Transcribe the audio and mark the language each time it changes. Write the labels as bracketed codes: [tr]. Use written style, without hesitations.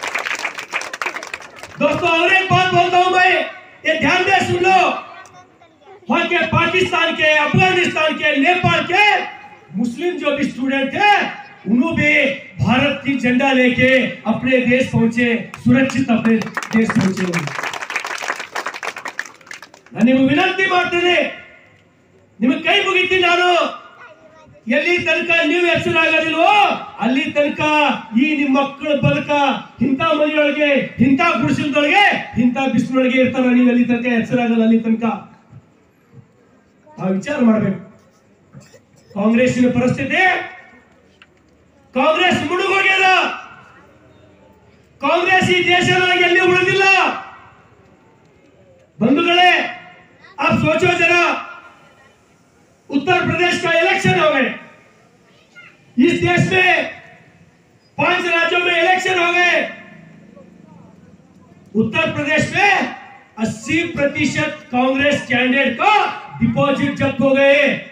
[hi] दोस्तों और एक बात बोलता हूं भाई, ये ध्यान दे सुन लो, वहां के पाकिस्तान के, अफगानिस्तान के, नेपाल के मुस्लिम जो भी स्टूडेंट थे उन्होंने भी भारत की झंडा लेके अपने देश पहुंचे, सुरक्षित अपने देश पहुंचे। [kn] विनती मारते कई मुगित नो ಎಲ್ಲಿ ತನಕ ನೀವು ಹೆಸರಾಗೋದಿಲ್ವೋ ಅಲ್ಲಿ ತನಕ ಈ ನಿಮ್ಮ ಮಕ್ಕಳು ಬದುಕ ಇಂಥ ಮನೆಯೊಳಗೆ ಇಂಥ ಗುಡಿಸಿಲ್ದೊಳಗೆ ಇಂಥ ಬಿಸಿಲೊಳಗೆ ಇರ್ತಾರ, ನೀವು ಅಲ್ಲಿ ತನಕ ಹೆಸರಾಗಲ್ಲ ಅಲ್ಲಿ ತನಕ ವಿಚಾರ ಮಾಡಬೇಕು। ಕಾಂಗ್ರೆಸ್ಸಿನ ಪರಿಸ್ಥಿತಿ, ಕಾಂಗ್ರೆಸ್ ಮುಳುಗೋಗ್ಯದ, ಕಾಂಗ್ರೆಸ್ ಈ ದೇಶದೊಳಗೆ ಎಲ್ಲಿ ಉಳಿದಿಲ್ಲ। ಬಂಧುಗಳೇ [hi] ಆ ಸೋಚೋ ಜನ, उत्तर प्रदेश का इलेक्शन हो गए, इस देश में 5 राज्यों में इलेक्शन हो गए, उत्तर प्रदेश में 80% कांग्रेस कैंडिडेट का डिपॉजिट जब्त हो गए।